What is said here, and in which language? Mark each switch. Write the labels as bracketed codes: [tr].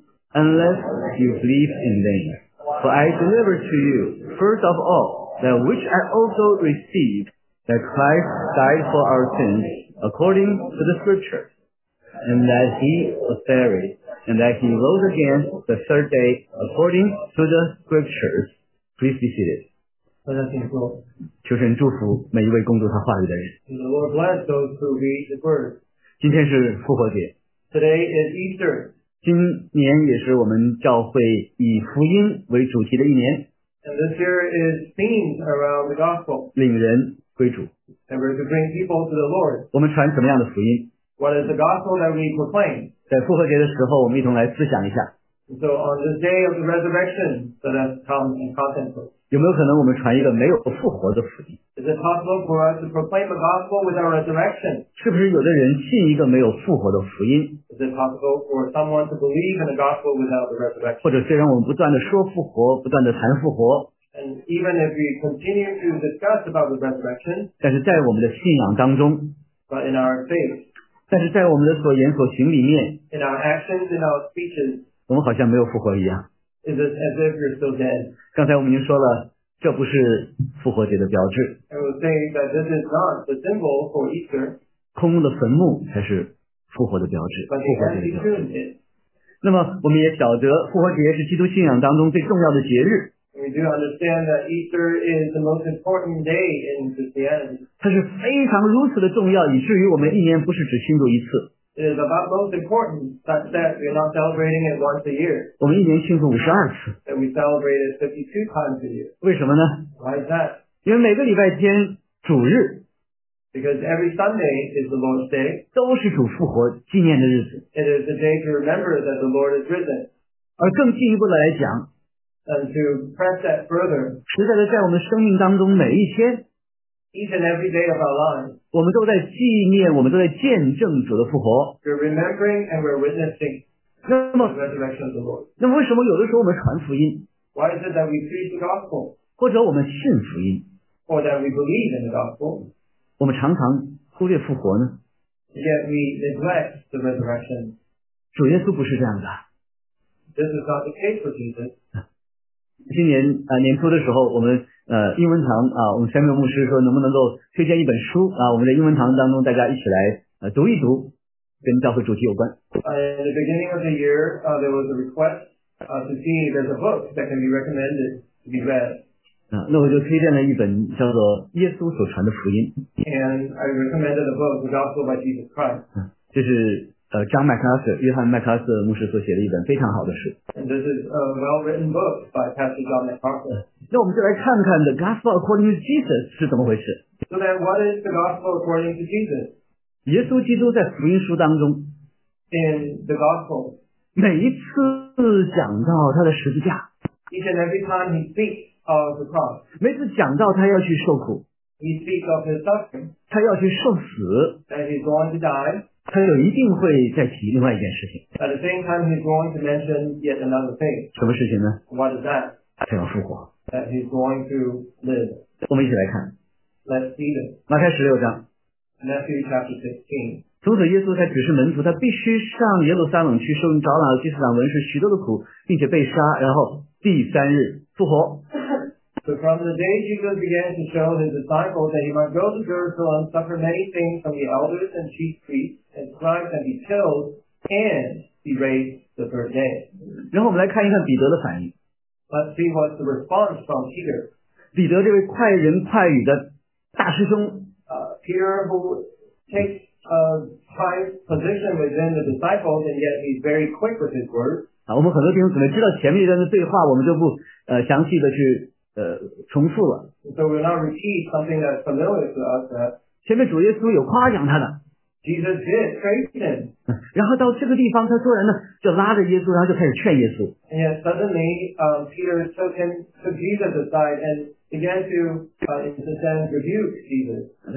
[en] Unless you believe in them. For I deliver to you, first of all, that which I also received, that Christ died for our sins, according to the scripture, and that he was buried, and that he rose again the third day, according to the scriptures. Please be seated. [zh] 求神祝福每一位共读他话语的人。 [en] The Lord bless those who read the word. [zh] 今天是复活节。 [en] Today is Easter. [zh] 今年也是我们教会以福音为主题的一年。 [en] And this year is themed around the gospel. [zh] 领人归主。 [en] And we're to bring people to the Lord. [zh] 我们传什么样的福音？ [en] What is the gospel that we proclaim? [zh] 在复活节的时候，我们一同来思想一下。 [en] So on the day of the resurrection, let us come and contemplate. [zh] 有没有可能我们传一个没有复活的福音？ [en] Is it possible for us to proclaim the gospel without resurrection? [zh] 是不是有的人信一个没有复活的福音？ [en] Is it possible for someone to believe in the gospel without the resurrection? [zh] 或者虽然我们不断地说复活，不断地谈复活， [en] And even if we continue to discuss about the resurrection, [zh] 但是在我们的信仰当中， [en] But in our faith, [zh] 但是在我们的所言所行里面， [en] In our actions, in our speeches, [zh] 我们好像没有复活一样。 [en] Is it as if you're still dead? [zh] 刚才我们已经说了，这不是复活节的标志。 [en] I would say that this is not the symbol for Easter. [zh] 空的坟墓才是复活的标志，复活节的标志。那么我们也晓得复活节是基督信仰当中最重要的节日。 [en] We do understand that Easter is the most important day in Christianity. [zh] 它是非常如此的重要，以至于我们一年不是只庆祝一次。 [en] It is about most important such that we are not celebrating it once a year. [zh] 我们一年庆祝52次。 [en] And we celebrate it 52 times a year. [zh] 为什么呢？ [en] Why is that? [zh] 因为每个礼拜天主日， [en] Because every Sunday is the Lord's day. [zh] 都是主复活纪念的日子。 [en] It is the day to remember that the Lord is risen. [zh] 而更进一步的来讲， [en] And to press that further, [zh] 实在的在我们生命当中每一天， [en] Each and every day of our lives, [zh] 我们都在纪念，我们都在见证主的复活。 [en] We're remembering and we're witnessing the resurrection of the Lord. [zh] 那么为什么有的时候我们传福音？ [en] Why is it that we preach the gospel? [zh] 或者我们信福音？ [en] Or that we believe in the gospel? [zh] 我们常常忽略复活呢？ [en] Yet we neglect the resurrection. [zh] 主耶稣不是这样的。 [en] This is not the case for Jesus. [zh] 今年年初的时候，我们英文堂我们 Samuel 牧师说能不能够推荐一本书我们在英文堂当中大家一起来读一读，跟教会主题有关。 [en] In the beginning of the year, there was a request to see if there's a book that can be recommended to be read. [zh] 那我就推荐了一本叫做《耶稣所传的福音》。 [en] And I recommended a book, The Gospel by Jesus Christ. [zh] 这是John MacArthur, 约翰麦克阿瑟牧师所写的一本非常好的书。 [en] And this is a well-written book by Pastor John MacArthur. [zh] 那我们就来看看 [en] The Gospel According to Jesus [zh] 是怎么回事。 [en] So then what is the Gospel According to Jesus? [zh] 耶稣基督在福音书当中 [en] In the Gospel [zh] 每一次讲到他的十字架 [en] Each and every time he speaks of the cross [zh] 每次讲到他要去受苦 [en] He speaks of his suffering [zh] 他要去受死 [en] And he's going to die [zh] 他就一定会再提另外一件事情。 [en] At the same time, he's going to mention yet another thing. [zh] 什么事情呢 [en] ？What is that？ [zh] 他要复活。 [en] That he's going to live. [zh] 我们一起来看。 [en] Let's see this. [zh] 马太十六章。 [en] Matthew chapter 16. [zh] 从此，耶稣才指示门徒，他必须上耶路撒冷去受长老、祭司长、文士许多的苦，并且被杀，然后第三日复活。 [en] So from the day Jesus began to show his disciples that he might go to Jerusalem and suffer many things from the elders and chief priests and scribes and be killed and be raised the third day. [zh] 然后我们来看一看彼得的反应。 [en] Let's see what's the response from Peter. [zh] 彼得这位快人快语的大师兄。 [en] Peter who takes a high position within the disciples and yet he's very quick with his words. [zh] 我们很多弟兄姊妹知道前面一段的对话我们就不详细的去重复了。 [en] So we'll now repeat something that's familiar to us. [zh] 前面主耶稣有夸奖他的。 [en] Jesus did praise him. [zh] 然后到这个地方，他突然呢就拉着耶稣，然后就开始劝耶稣。 [en] And yet suddenly, Peter took Jesus aside and began to, in a sense, rebuke Jesus.